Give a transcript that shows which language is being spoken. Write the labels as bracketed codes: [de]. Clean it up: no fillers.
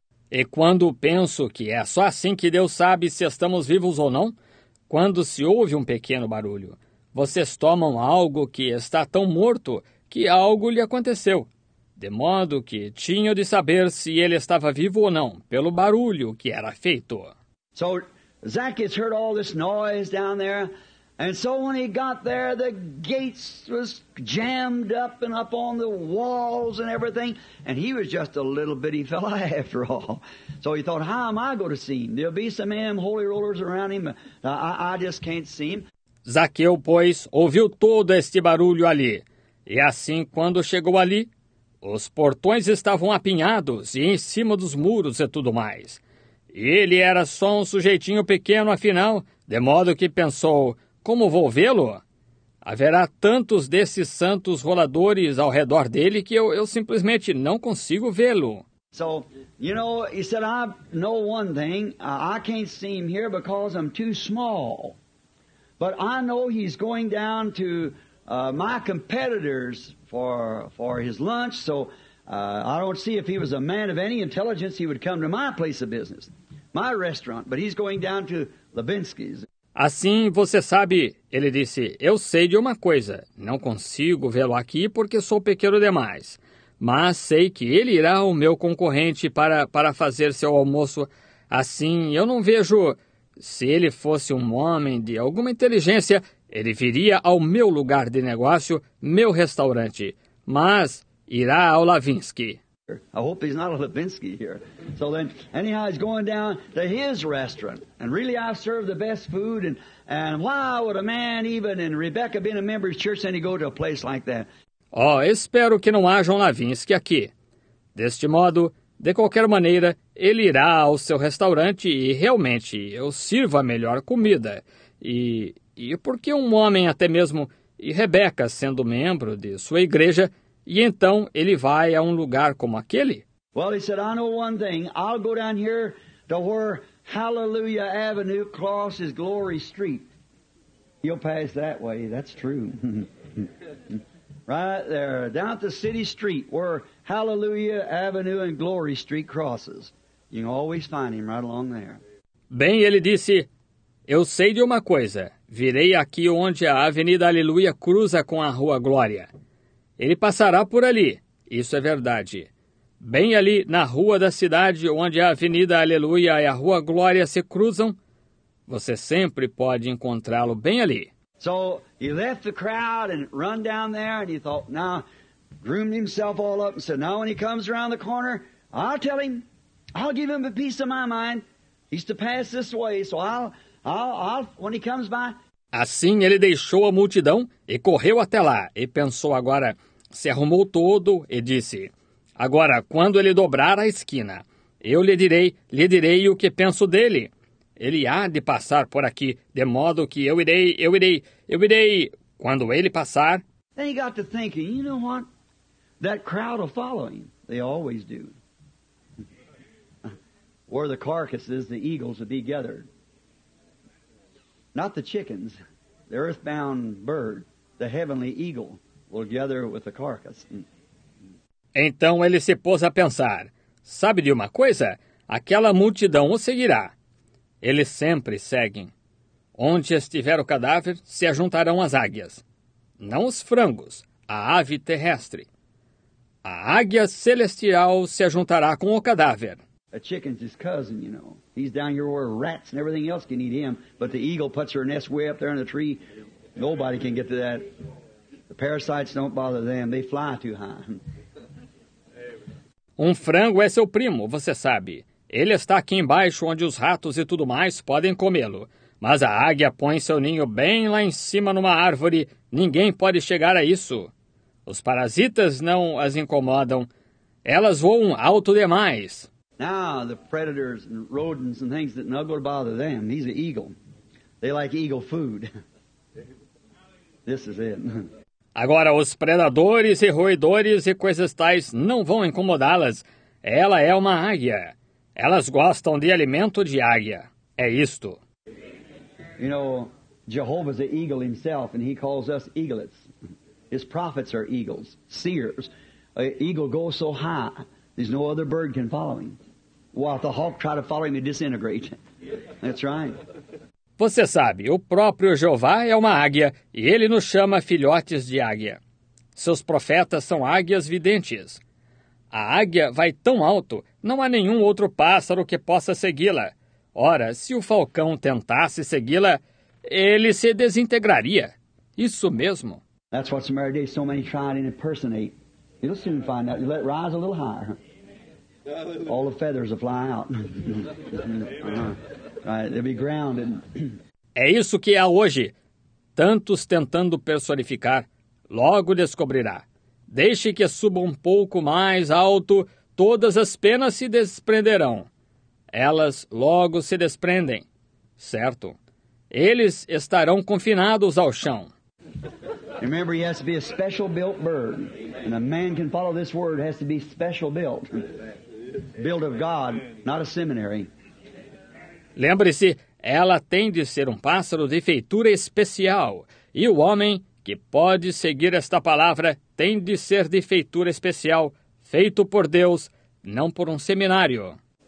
[pt] E quando penso que é só assim que Deus sabe se estamos vivos ou não, quando se ouve um pequeno barulho, vocês tomam algo que está tão morto que algo lhe aconteceu. De modo que tinham de saber se ele estava vivo ou não, pelo barulho que era feito. [en] So, Zacchaeus heard all this noise down there, and so when he got there, the gates was jammed up and up on the walls and everything, and he was just a little bitty fella after all. So he thought, how am I going to see him? There'll be some of them holy rollers around him, but I just can't see him. [pt] Zaqueu, pois, ouviu todo este barulho ali, e assim, quando chegou ali, os portões estavam apinhados e em cima dos muros e tudo mais. E ele era só um sujeitinho pequeno, afinal, de modo que pensou, como vou vê-lo? Haverá tantos desses santos roladores ao redor dele que eu simplesmente não consigo vê-lo. [en] So, you know, he said, I know one thing, I can't see him here because I'm too small. But I know he's going down to my competitors for his lunch, so I don't see if he was a man of any intelligence, he would come to my place of business, my restaurant, but he's going down to Levinsky's. [pt] Assim, você sabe, ele disse, eu sei de uma coisa, não consigo vê-lo aqui porque sou pequeno demais, mas sei que ele irá ao meu concorrente para fazer seu almoço, assim, eu não vejo, se ele fosse um homem de alguma inteligência, ele viria ao meu lugar de negócio, meu restaurante, mas irá ao Levinsky. [en] I hope he's not a Levinsky here. So then, anyhow, he's going down to his restaurant. And really, I serve the best food. And why would a man even, and Rebecca being a member of his church, then he go to a place like that? [pt] Oh, espero que não haja um Levinsky aqui. Deste modo, de qualquer maneira, ele irá ao seu restaurante e realmente eu sirvo a melhor comida. E por que um homem até mesmo, e Rebeca sendo membro de sua igreja, e então ele vai a um lugar como aquele? [en] Well, he said, I know one thing. I'll go down here to where Hallelujah Avenue crosses Glory Street. You'll pass that way. That's true. Right there, down at the city street where Hallelujah Avenue and Glory Street crosses. You can always find him right along there. [pt] Bem, ele disse, eu sei de uma coisa. Virei aqui onde a Avenida Aleluia cruza com a Rua Glória. Ele passará por ali. Isso é verdade. Bem ali na rua da cidade onde a Avenida Aleluia e a Rua Glória se cruzam, você sempre pode encontrá-lo bem ali. [en] So he left the crowd and run down there, and he thought, now, groomed himself all up and said, now when he comes around the corner, I'll tell him, I'll give him a piece of my mind. He's to pass this way, so I'll, when he comes by. [pt] Assim ele deixou a multidão e correu até lá, e pensou agora, se arrumou todo e disse, agora, quando ele dobrar a esquina, eu lhe direi o que penso dele. Ele há de passar por aqui, de modo que eu irei, quando ele passar. [en] Then he got to thinking, you know what? That crowd will follow him. They always do. Where the carcasses, the eagles would be gathered. Not the chickens, the earthbound bird, the heavenly eagle will gather with the carcass. [pt] Então ele se pôs a pensar, sabe de uma coisa? Aquela multidão o seguirá. Eles sempre seguem. Onde estiver o cadáver, se ajuntarão as águias. Não os frangos, a ave terrestre. A águia celestial se ajuntará com o cadáver. [en] A chicken's his cousin, you know. He's down here where rats and everything else can eat him. But the eagle puts her nest way up there in the tree. Nobody can get to that. The parasites don't bother them. They fly too high. [pt] Um frango é seu primo, você sabe. Ele está aqui embaixo, onde os ratos e tudo mais podem comê-lo. Mas a águia põe seu ninho bem lá em cima numa árvore. Ninguém pode chegar a isso. Os parasitas não as incomodam. Elas voam alto demais. [en] Now, the predators and rodents and things that never bother them, he's an eagle. They like eagle food. This is it. [pt] Agora, os predadores e roedores e coisas tais não vão incomodá-las. Ela é uma águia. Elas gostam de alimento de águia. É isto. [en] You know, Jehovah's an eagle himself, and he calls us eaglets. His prophets are eagles, seers. An eagle goes so high, there's no other bird can follow him. While the hawk try to follow him, he disintegrates. That's right. [pt] Você sabe, o próprio Jeová é uma águia, e ele nos chama filhotes de águia. Seus profetas são águias videntes. A águia vai tão alto, não há nenhum outro pássaro que possa segui-la. Ora, se o falcão tentasse segui-la, ele se desintegraria. Isso mesmo. [en] That's what Samaritan did, so many tried to impersonate. You'll soon find out. You let it rise a little higher. All the feathers will fly out. Right, they'll be grounded. [pt] É isso que há hoje. Tantos tentando personificar, logo descobrirá. Deixe que suba um pouco mais alto, todas as penas se desprenderão. Elas logo se desprendem, certo? Eles estarão confinados ao chão. [en] Remember, he has to be a special built bird. And a man can follow this word, has to be special built. Built of God, not a seminary. [pt] Lembre-se, ela tem de ser um pássaro de feitura especial. E o homem que pode seguir esta palavra tem de ser de feitura especial, feito por Deus, não por um seminário.